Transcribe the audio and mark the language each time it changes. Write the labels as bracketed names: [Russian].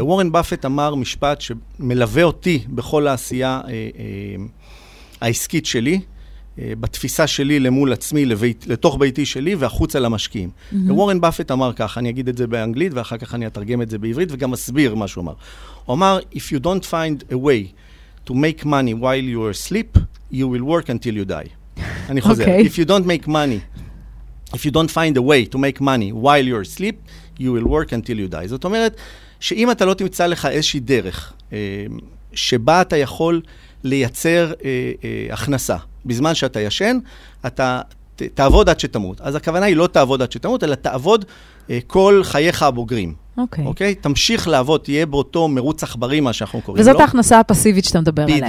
[Hebrew] ווורן באפט אמר משפט שמלווה אותי בכל העשייה העסקית שלי, בתפיסה שלי למול עצמי, לתוך ביתי שלי והחוצה למשקיעים. וורן באפט אמר כך, אני אגיד את זה באנגלית, ואחר כך אני אתרגם את זה בעברית, וגם אסביר מה שהוא אמר. הוא אמר, [English] if you don't find a way to make money while you are asleep, you will work until you die. [Hebrew] אני חוזר. [English] If you don't make money, if you don't find a way to make money while you are asleep, you will work until you die. [Hebrew] זאת אומרת, שאם אתה לא תמצא לך איזושהי דרך, שבה אתה יכול לייצר הכנסה, בזמן שאתה ישן, אתה תעבוד עד שתמות. אז הכוונה היא לא תעבוד עד שתמות, אלא תעבוד כל חייך הבוגרים. אוקיי. תמשיך לעבוד, תהיה באותו מרוץ עכברי, מה שאנחנו קוראים לו. וזאת ההכנסה הפסיבית שאתה מדבר עליה.